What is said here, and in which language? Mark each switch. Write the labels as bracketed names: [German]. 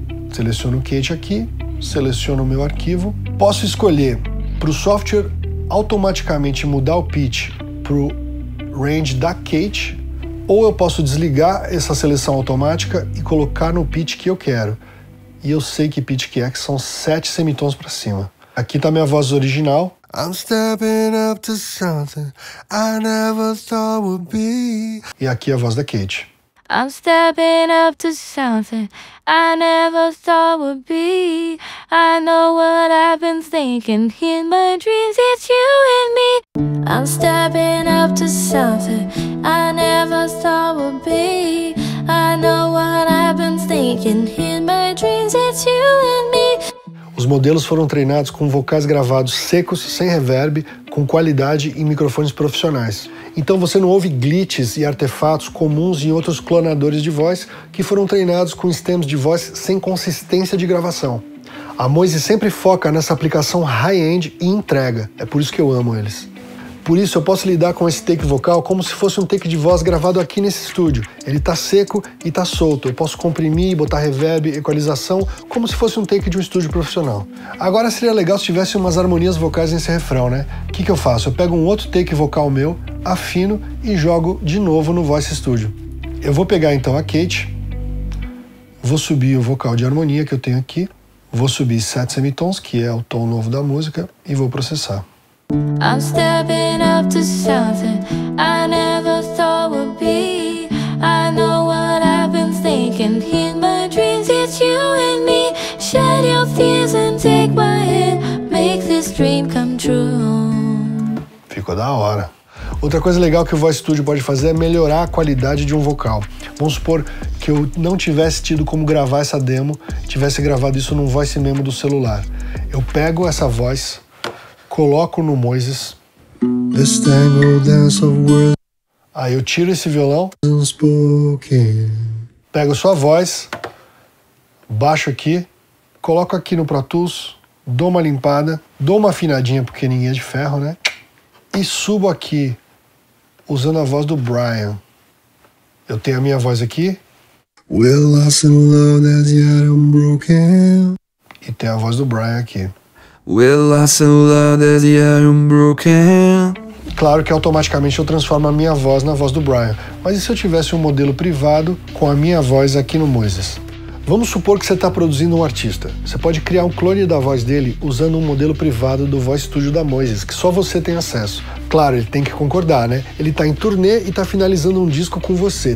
[Portuguese] Seleciono Kate aqui, seleciono o meu arquivo. Posso escolher para o software automaticamente mudar o pitch para o range da Kate, ou eu posso desligar essa seleção automática e colocar no pitch que eu quero. E eu sei que pitch que é, que são 7 semitons para cima. Aqui está minha voz original. [English] I'm stepping up to something I never thought would be. [Portuguese] E aqui a voz da Kate. [English] I'm stepping up to something I never thought would be. I know what I've been thinking in my dreams, it's you and me. I'm stepping up to something I never thought would be. I know what I've been thinking in my dreams, it's you and me. [Portuguese] Os modelos foram treinados com vocais gravados secos, sem reverb, com qualidade e microfones profissionais. Então você não ouve glitches e artefatos comuns em outros clonadores de voz que foram treinados com stems de voz sem consistência de gravação. A Moises sempre foca nessa aplicação high-end e entrega. É por isso que eu amo eles. Por isso eu posso lidar com esse take vocal como se fosse um take de voz gravado aqui nesse estúdio. Ele tá seco e tá solto. Eu posso comprimir, botar reverb, equalização, como se fosse um take de um estúdio profissional. Agora seria legal se tivesse umas harmonias vocais nesse refrão, né? O que que eu faço? Eu pego um outro take vocal meu, afino e jogo de novo no Voice Studio. Eu vou pegar então a Kate, vou subir o vocal de harmonia que eu tenho aqui, vou subir 7 semitons, que é o tom novo da música, e vou processar. [English] I'm stepping up to something I never thought would be. I know what I've been thinking in my dreams, it's you and me. Shed your fears and take my hand, make this dream come true. [Portuguese] Ficou da hora. Outra coisa legal que o Voice Studio pode fazer é melhorar a qualidade de um vocal. Vamos supor que eu não tivesse tido como gravar essa demo, tivesse gravado isso num voice memo do celular. Eu pego essa voz, coloco no Moises. [English] This tangled dance of words. [Portuguese] Aí eu tiro esse violão. Unspoken. Pego sua voz, baixo aqui, coloco aqui no Pro Tools, dou uma limpada, dou uma afinadinha porque ninguém é de ferro, né? E subo aqui, usando a voz do Brian. Eu tenho a minha voz aqui. [English] We're lost in love that's yet unbroken. [Portuguese] E tem a voz do Brian aqui. [English] We're lost in love that's yet unbroken. [Portuguese] Claro que automaticamente eu transformo a minha voz na voz do Brian. Mas e se eu tivesse um modelo privado com a minha voz aqui no Moises? Vamos supor que você está produzindo um artista. Você pode criar um clone da voz dele usando um modelo privado do Voice Studio da Moises, que só você tem acesso. Claro, ele tem que concordar, né? Ele está em turnê e está finalizando um disco com você.